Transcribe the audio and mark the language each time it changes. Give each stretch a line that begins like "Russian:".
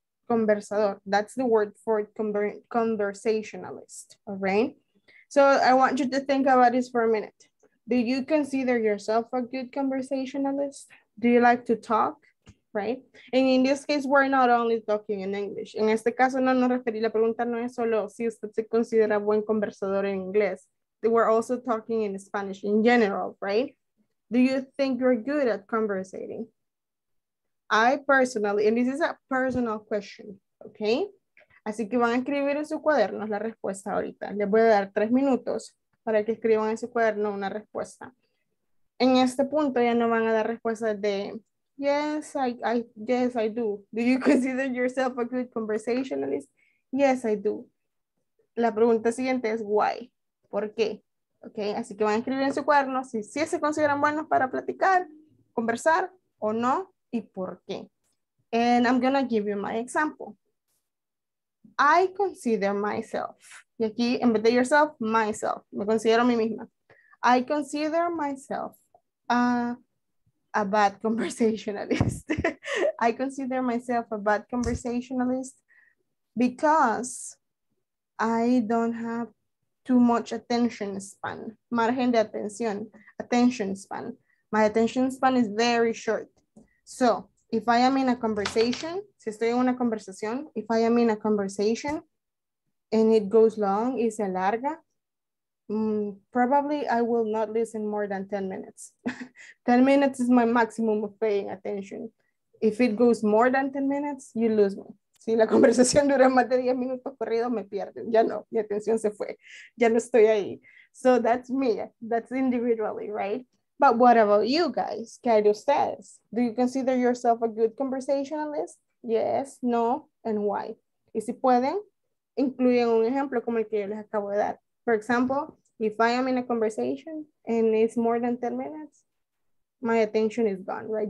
English: Conversador. That's the word for conversationalist, all right? So I want you to think about this for a minute. Do you consider yourself a good conversationalist? Do you like to talk, right? And in this case, we're not only talking in English.
Spanish: En este caso, no nos referimos, la pregunta no es solo si usted se considera buen conversador en inglés.
English: We're also talking in Spanish in general, right? Do you think you're good at conversating? I personally, and this is a personal question, okay?
Spanish: Así que van a escribir en su cuaderno la respuesta ahorita. Les voy a dar 3 minutos para que escriban en su cuaderno una respuesta. En este punto ya no van a dar respuestas de,
English: yes, I do. Do you consider yourself a good conversationalist? Yes, I do.
Spanish: La pregunta siguiente es,
English: why?
Spanish: ¿Por qué? Okay, así que van a escribir en su cuaderno si se consideran buenos para platicar, conversar o no. ¿Y por qué?
English: And I'm going to give you my example. I consider myself.
Spanish: Y aquí, en vez de yourself, myself. Me considero a mí misma.
English: I consider myself a bad conversationalist. I consider myself a bad conversationalist because I don't have too much attention span.
Spanish: Margen de atención.
English: Attention span. My attention span is very short. So, if I am in a conversation,
Spanish: si estoy en una conversación,
English: if I am in a conversation and it goes long,
Spanish: y se larga,
English: probably I will not listen more than 10 minutes. 10 minutes is my maximum of paying attention. If it goes more than 10 minutes, you lose me.
Spanish: Si la conversación dura más de 10 minutos corrido, me pierden. Ya no, mi atención se fue. Ya no estoy ahí.
English: So, that's me. That's individually, right? But what about you guys?
Spanish: ¿Qué hay de ustedes?
English: Do you consider yourself a good conversationalist? Yes, no, and why?
Spanish: Y si pueden, incluyen un ejemplo como el que yo les acabo de dar.
English: For example, if I am in a conversation and it's more than 10 minutes, my attention is gone, right?